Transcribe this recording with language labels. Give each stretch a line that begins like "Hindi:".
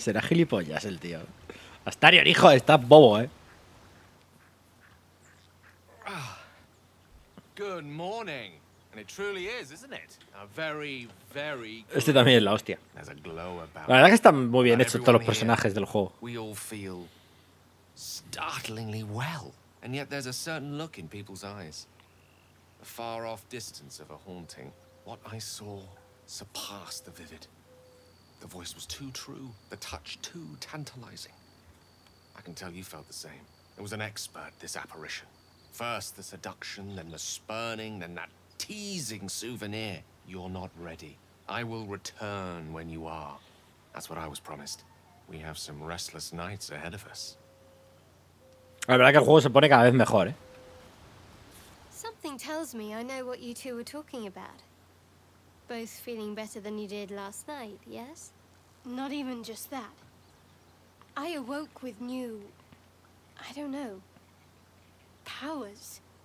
Spanish: Será gilipollas el tío. Astarion, hijo, estás bobo, ¿eh?
English: Good morning. And it truly is, isn't it? A very, very good...
Spanish: Este también es la hostia. La verdad que están muy bien hechos todos los personajes del juego.
English: We all feel startlingly well. And yet there's a certain look in people's eyes. The far-off distance of a haunting. What I saw surpassed the vivid. The voice was too true, the touch too tantalizing. I can tell you felt the same. It was an expert, this apparition. First the seduction, then the spurning, then that teasing souvenir. You're not ready. I will return when you are. That's what I was promised. We have some restless nights ahead of us.
Spanish: La verdad que el juego se pone cada vez mejor, ¿eh?
English: Something tells me I know what you two were talking about. Both feeling better than you did last night, yes? Not even just that. I awoke with new, I don't know, powers.